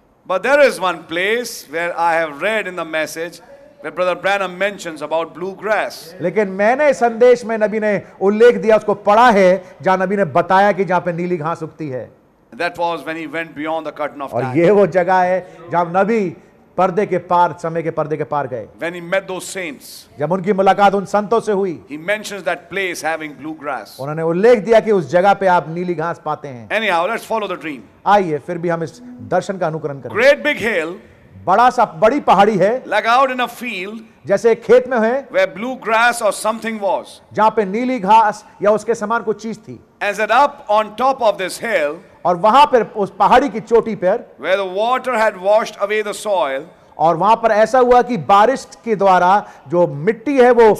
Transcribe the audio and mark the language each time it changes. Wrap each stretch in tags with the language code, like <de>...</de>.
<en>But there is one place where I have read in the message where Brother Branham mentions about blue grass.</en> <hi>लेकिन मैंने संदेश में नबी ने उल्लेख दिया, उसको पढ़ा है जहां नबी ने बताया कि जहां पे नीली घास उगती है.</hi> <en>That was when he went beyond the curtain of time.</en> <hi>और ये वो जगह है जहां नबी पर्दे के पार, समय के पर्दे के पार गए.</hi> <en>When he met those saints,</en> <hi>जब उनकी मुलाकात उन संतों से हुई,</hi> <en>he mentions that place having blue grass.</en> <hi>उन्होंने उल्लेख दिया कि उस जगह पे आप नीली घास पाते हैं.</hi> <en>Anyhow, let's follow the dream.</en> <hi>आइए फिर भी हम इस दर्शन का अनुकरण करें.</hi> <en>Great big hill,</en> <hi>बड़ा सा बड़ी पहाड़ी है.</hi> <en>Like out in a field,</en> <hi>जैसे एक खेत में है.</hi> <en>Where blue grass or something was,</en> <hi>जहाँ पे नीली घास या उसके समान कोई चीज थी.</hi> <en>As it up on top of this hill.</en> <hi>और वहां पर उस पहाड़ी की चोटी पर,</hi> <en>where the water had washed away the soil,</en> <hi>और वहां पर ऐसा हुआ कि बारिश के द्वारा जो मिट्टी है वो,</hi>